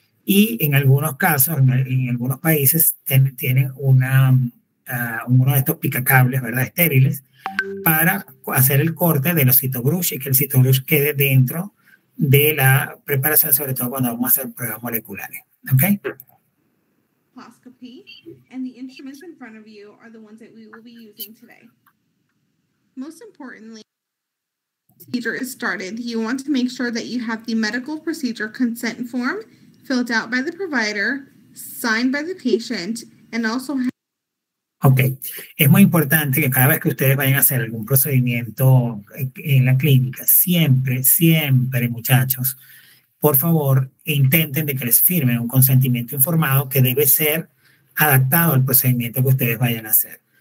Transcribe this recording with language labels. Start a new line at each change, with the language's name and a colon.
Spanish: Y en algunos casos, en algunos países, tienen uno de estos picacables, ¿verdad?, estériles, para hacer el corte de los citobrush y que el citobrush quede dentro de la preparación, sobre todo cuando vamos a hacer pruebas moleculares, ¿ok?
English: Coloscopy and the instruments in front of you are the ones that we will be using today. Most importantly, procedure is started. You want to make sure that you have the medical procedure consent form filled out by the provider, signed by the patient, and also.
Spanish: Okay, es muy importante que cada vez que ustedes vayan a hacer algún procedimiento en la clínica, siempre, muchachos, por favor, intenten de que les firmen un consentimiento informado que debe ser adaptado al procedimiento que ustedes vayan a hacer.